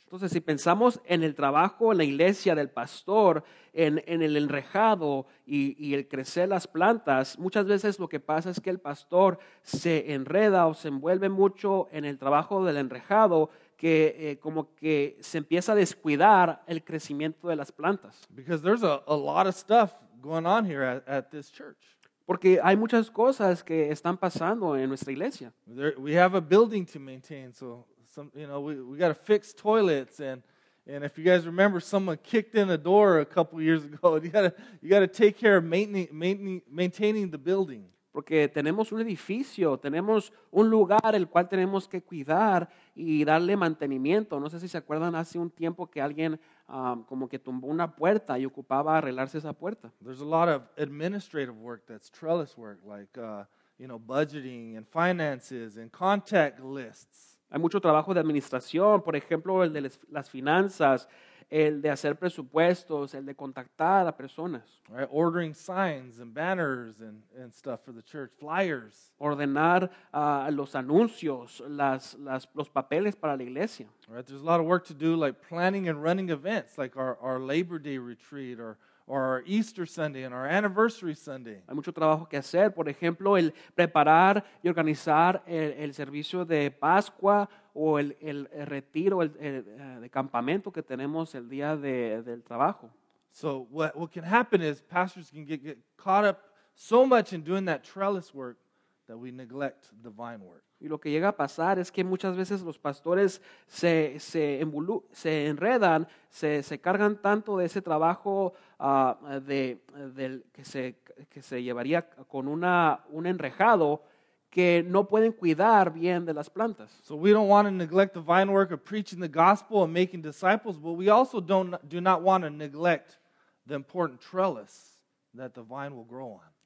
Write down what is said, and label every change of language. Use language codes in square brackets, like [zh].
[es] Entonces, si pensamos en el trabajo en la iglesia del pastor, en el enrejado y el crecer las plantas, muchas veces lo que pasa es que el pastor se enreda o se envuelve mucho en el trabajo del enrejado, que como que se empieza a descuidar el crecimiento de las plantas. [en] Because there's a lot of stuff going on here at this church. [es] Porque hay muchas cosas que están pasando en nuestra iglesia. [en] We have a building to maintain, so some, you know, we got to fix toilets and And if you guys remember, someone kicked in a door a couple years ago. You gotta take care of maintaining the building. [es] Porque tenemos un edificio, tenemos un lugar el cual tenemos que cuidar y darle mantenimiento. No sé si se acuerdan hace un tiempo que alguien como que tumbó una puerta y ocupaba arreglarse esa puerta. [en] There's a lot of administrative work that's trellis work, like budgeting and finances and contact lists. [es] Hay mucho trabajo de administración, por ejemplo, el de las finanzas, el de hacer presupuestos, el de contactar a personas. [en] Right, ordering signs and banners and stuff for the church, flyers. [es] Ordenar los anuncios, los papeles para la iglesia. [en] Right, there's a lot of work to do, like planning and running events, like our Labor Day retreat or our Easter Sunday and our Anniversary Sunday. [es] Hay mucho trabajo que hacer, por ejemplo, el preparar y organizar el servicio de Pascua o el retiro de campamento que tenemos el día del trabajo. [en] So what can happen is pastors can get caught up so much in doing that trellis work that we neglect the vine work. [es] Y lo que llega a pasar es que muchas veces los pastores se enredan, se cargan tanto de ese trabajo que se llevaría con un enrejado que no pueden cuidar bien de las plantas. [en] So we don't want to neglect the vine work of preaching the gospel and making disciples, but we also do not want to neglect the important trellis that the vine will grow on.